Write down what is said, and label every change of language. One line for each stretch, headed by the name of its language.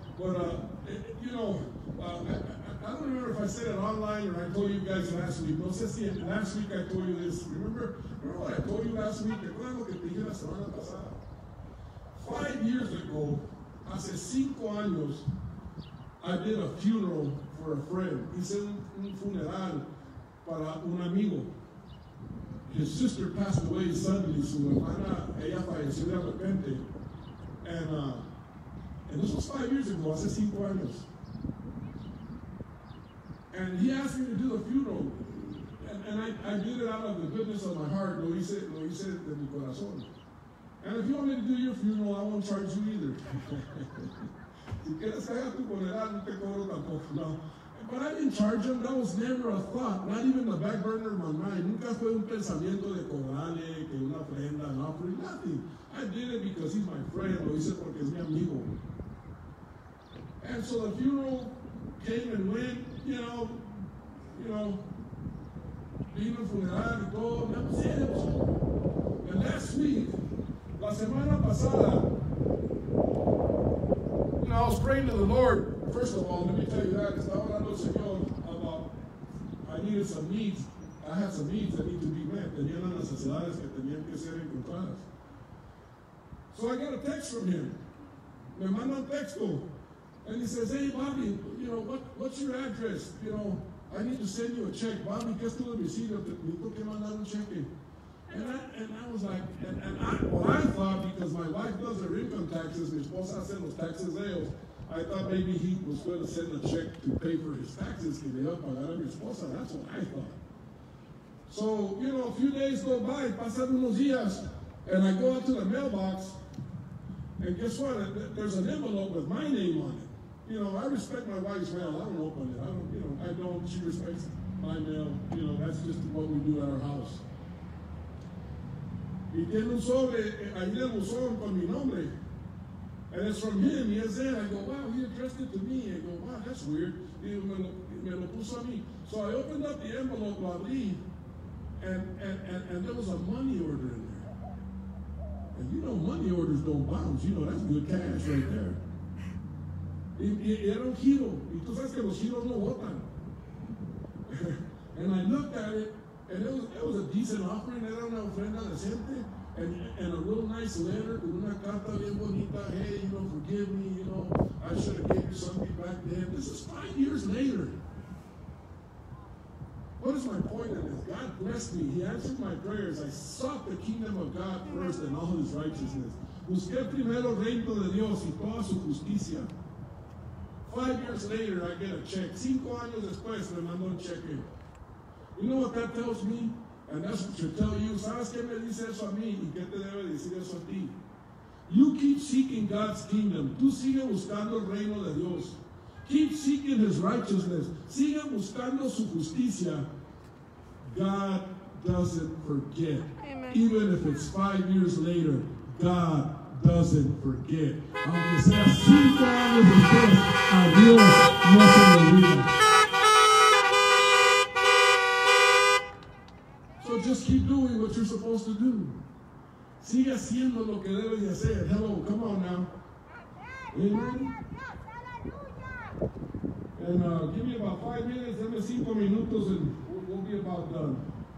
English: But, you know, I don't remember if I said it online or I told you guys last week.
Spanish: No sé si
English: last week I told you this. Remember what I told you last week?
Spanish: Recuerda lo que te dije la semana pasada.
English: 5 years ago,
Spanish: hace 5 años,
English: I did a funeral for a friend.
Spanish: Hice un funeral para un amigo.
English: His sister passed away suddenly.
Spanish: Su hermana, ella falleció de repente.
English: And this was 5 years ago,
Spanish: hace 5 años.
English: And he asked me to do the funeral. And I did it out of the goodness of my heart,
Spanish: lo hice de mi corazón.
English: And if you want me to do your funeral, I won't charge you either.
Spanish: Si quieres que haga tu funeral, no te cobro tampoco, no.
English: But I didn't charge him. That was never a thought, not even the back burner of my mind.
Spanish: Nunca fue un pensamiento de cobrarle, que una ofrenda,
English: an offering,
Spanish: nothing.
English: I did it because he's my friend.
Spanish: Lo hice porque es mi amigo.
English: And so the funeral came and went, you know,
Spanish: vino el funeral y todo. Me pusieron.
English: And last week,
Spanish: la semana pasada,
English: you know, I was praying to the Lord. First of all, let me tell you that,
Spanish: estaba hablando al Señor
English: about, I needed some needs. I have some needs that need to be met.
Spanish: Tenía las necesidades que tenían que ser encontradas.
English: So I got a text from him.
Spanish: Me manda un texto.
English: And he says, hey, Bobby, you know, what's your address? You know, I need to send you a check.
Spanish: Bobby, ¿qué es tu domicilio? Tengo que mandar un cheque.
English: And I was like, I thought, because my wife does her income taxes,
Spanish: mi esposa hace los taxes de ellos,
English: I thought maybe he was going to send a check to pay for his taxes,
Spanish: que le iba a pagar a mi esposa.
English: That's what I thought. So, you know, a few days go by,
Spanish: pasan unos días,
English: and I go out to the mailbox, and guess what? There's an envelope with my name on it. You know, I respect my wife's mail. I don't open it. I don't. She respects my mail. You know, that's just what we do at our house.
Spanish: Y tiene un sobre, ahí le puso con mi nombre.
English: And it's from him. He has it. I go, wow, he addressed it to me. I go, wow, that's weird.
Spanish: Y me lo puso a mí.
English: So I opened up the envelope,
Spanish: lo abrí,
English: and there was a money order in there. And you know, money orders don't bounce. You know, that's good cash right there.
Spanish: Y era un giro. Y tú sabes que los giros no botan.
English: And I looked at it. And it was a decent offering.
Spanish: Era una ofrenda decente,
English: and a real nice letter,
Spanish: una carta bien bonita.
English: Hey, you know, forgive me. You know, I should have gave you something back then. This is 5 years later. What is my point in this? God blessed me. He answered my prayers. I sought the kingdom of God first and all His righteousness.
Spanish: Busqué primero el reino de Dios y toda su justicia.
English: 5 years later, I get a check.
Spanish: 5 años después, me mandó un cheque.
English: You know what that tells me? And that's what should tell you.
Spanish: ¿Sabes qué me dice eso a mí? ¿Y qué te debe decir eso a ti?
English: You keep seeking God's kingdom.
Spanish: Tú sigue buscando el reino de Dios.
English: Keep seeking His righteousness.
Spanish: Sigue buscando su justicia.
English: God doesn't forget. Amen. Even if it's 5 years later, God doesn't forget.
Spanish: Aunque sea 5 años después, a Dios no se le olvida.
English: Just keep doing what you're supposed to do.
Spanish: Sigue haciendo lo que debe de hacer.
English: Hello, come on now. Amen. And give me about 5 minutes,
Spanish: dame 5 minutos,
English: and we'll be about done.